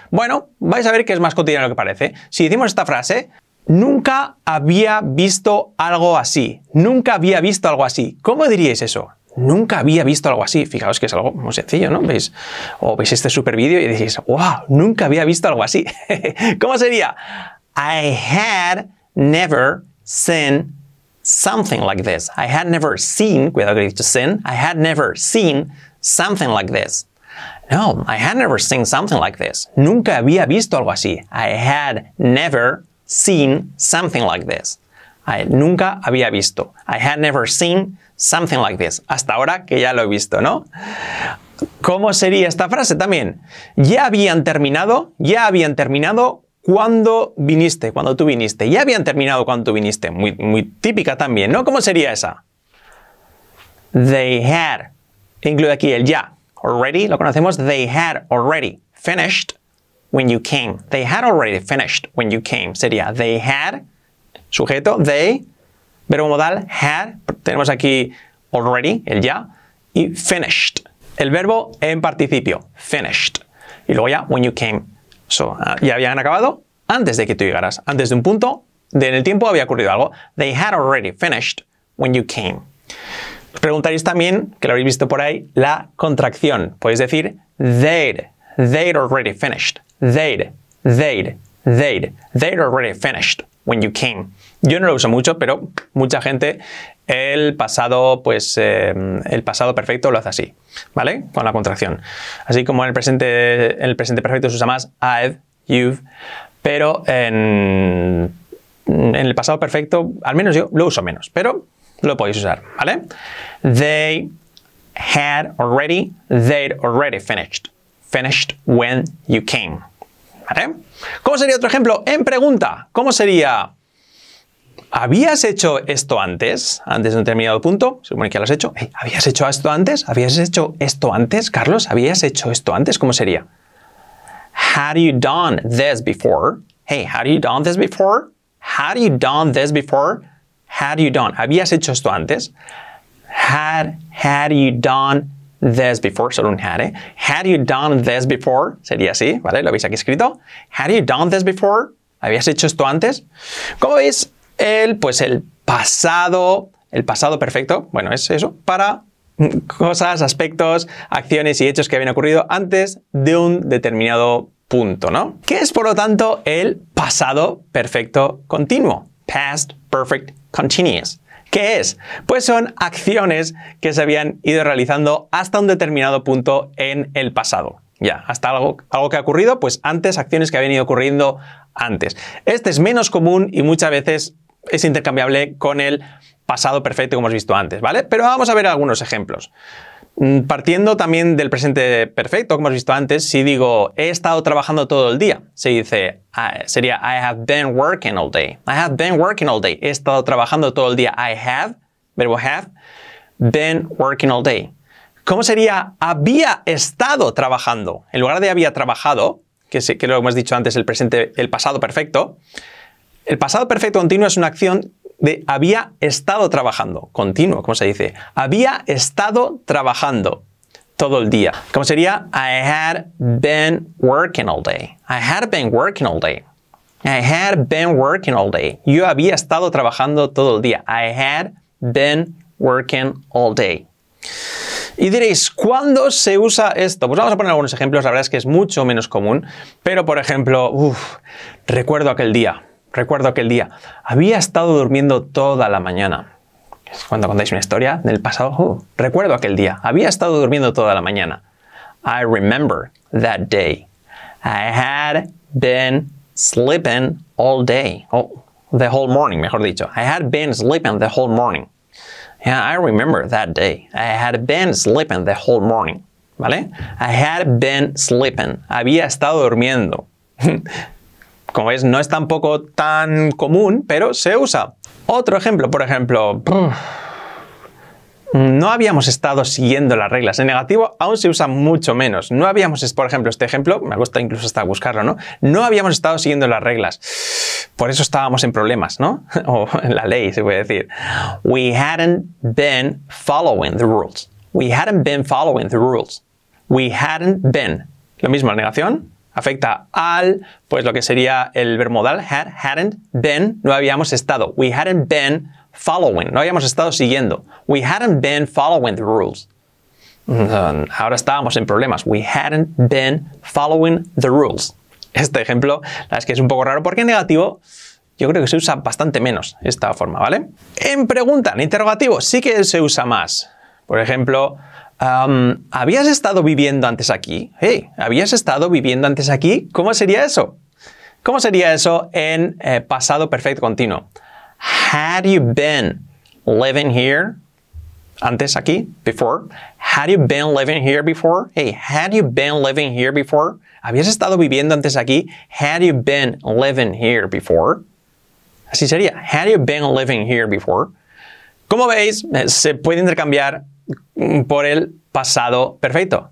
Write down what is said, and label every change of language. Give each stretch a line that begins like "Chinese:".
Spanish: Bueno, vais a ver que es más cotidiano de lo que parece. Si decimos esta frase, nunca había visto algo así. Nunca había visto algo así. ¿Cómo diríais eso? Nunca había visto algo así. Fijaos que es algo muy sencillo, ¿no? ¿Veis? O veis este super vídeo y decís, ¡wow! Nunca había visto algo así. ¿Cómo sería?
English: I had never seen something like this. I had never seen, without going to sin, I had never seen something like this. No, I had never seen something like this.
Spanish: Nunca había visto algo así.
English: I had never seen something like this. I
Spanish: nunca había visto.
English: I had never seen something like this.
Spanish: Hasta ahora que ya lo he visto, ¿no? ¿Cómo sería esta frase también? Ya habían terminado cuando viniste, cuando tú viniste. Ya habían terminado cuando tú viniste. Muy, muy típica también, ¿no? ¿Cómo sería esa?
English: They had,
Spanish: incluye aquí el ya. Already, lo conocemos.
English: They had already finished when you came. They had already finished when you came.
Spanish: Sería
English: they had,
Spanish: sujeto, they, verbo modal, had. Tenemos aquí already, el ya, y finished. El verbo en participio, finished. Y luego ya, when you came. So, ya habían acabado antes de que tú llegaras. Antes de un punto, de en el tiempo había ocurrido algo.
English: They had already finished when you came.
Spanish: Preguntaréis también, que lo habéis visto por ahí, la contracción. Podéis decir,
English: they'd already finished. They'd already finished when you came.
Spanish: Yo no lo uso mucho, pero mucha gente, el pasado perfecto lo hace así, ¿vale? Con la contracción. Así como en el presente perfecto se usa más I've, you've, pero en el pasado perfecto, al menos yo, lo uso menos, pero lo podéis usar, ¿vale?
English: They'd already finished. Finished when you came. ¿Vale?
Spanish: ¿Cómo sería otro ejemplo? En pregunta, ¿cómo sería? ¿Habías hecho esto antes? Antes de un determinado punto, se supone que lo has hecho. Hey, ¿habías hecho esto antes? ¿Habías hecho esto antes, Carlos? ¿Habías hecho esto antes? ¿Cómo sería?
English: Had you done this before? Hey, had you done this before? Had you done this before? Had you done?
Spanish: ¿Habías hecho esto antes?
English: Had you done this before?
Spanish: Solo un had, ¿eh? Had you done this before? Sería así, ¿vale? Lo veis aquí escrito.
English: Had you done this before?
Spanish: ¿Habías hecho esto antes? ¿Cómo veis? El pasado perfecto, bueno, es eso, para cosas, aspectos, acciones y hechos que habían ocurrido antes de un determinado punto, ¿no? ¿Qué es, por lo tanto, el pasado perfecto continuo?
English: Past Perfect Continuous.
Spanish: ¿Qué es? Pues son acciones que se habían ido realizando hasta un determinado punto en el pasado. Ya, hasta algo que ha ocurrido, pues antes, acciones que habían ido ocurriendo antes. Este es menos común y muchas veces es intercambiable con el pasado perfecto como hemos visto antes, ¿vale? Pero vamos a ver algunos ejemplos. Partiendo también del presente perfecto, como hemos visto antes, si digo he estado trabajando todo el día, se dice, sería
English: I have been working all day. I have been working all day.
Spanish: He estado trabajando todo el día.
English: I have, verbo have, been working all day.
Spanish: ¿Cómo sería había estado trabajando? En lugar de había trabajado, que lo hemos dicho antes, el pasado perfecto, el pasado perfecto continuo es una acción de había estado trabajando, continuo, ¿cómo se dice? Había estado trabajando todo el día. ¿Cómo sería?
English: I had been working all day. I had been working all day. I had been working all day.
Spanish: Yo había estado trabajando todo el día.
English: I had been working all day.
Spanish: Y diréis, ¿cuándo se usa esto? Pues vamos a poner algunos ejemplos. La verdad es que es mucho menos común. Pero, por ejemplo, recuerdo aquel día, había estado durmiendo toda la mañana. Cuando contáis una historia del pasado, recuerdo aquel día, había estado durmiendo toda la mañana.
English: I remember that day. I had been sleeping all day. The whole morning,
Spanish: mejor dicho.
English: I had been sleeping the whole morning. Yeah, I remember that day. I had been sleeping the whole morning. ¿Vale? I had been sleeping.
Spanish: Había estado durmiendo. Como veis, no es tampoco tan común, pero se usa. Otro ejemplo, por ejemplo, no habíamos estado siguiendo las reglas. En negativo, aún se usa mucho menos. No habíamos, por ejemplo, este ejemplo, me gusta incluso hasta buscarlo, ¿no? No habíamos estado siguiendo las reglas. Por eso estábamos en problemas, ¿no? O en la ley, se puede decir.
English: We hadn't been following the rules. We hadn't been following the rules. We hadn't been.
Spanish: Lo mismo, la negación afecta al, pues lo que sería el verbo modal, had, hadn't, been, no habíamos estado. We hadn't been following, no habíamos estado siguiendo.
English: We hadn't been following the rules.
Spanish: Ahora estábamos en problemas.
English: We hadn't been following the rules.
Spanish: Este ejemplo, la verdad es que es un poco raro porque en negativo yo creo que se usa bastante menos esta forma, ¿vale? En pregunta, en interrogativo, sí que se usa más. Por ejemplo, ¿habías estado viviendo antes aquí? Hey, ¿habías estado viviendo antes aquí? ¿Cómo sería eso? ¿Cómo sería eso en pasado perfecto continuo?
English: Had you been living here?
Spanish: Antes, aquí,
English: before. Had you been living here before? Hey, had you been living here before?
Spanish: ¿Habías estado viviendo antes aquí?
English: Had you been living here before?
Spanish: Así sería.
English: Had you been living here before?
Spanish: Como veis, se puede intercambiar por el pasado perfecto.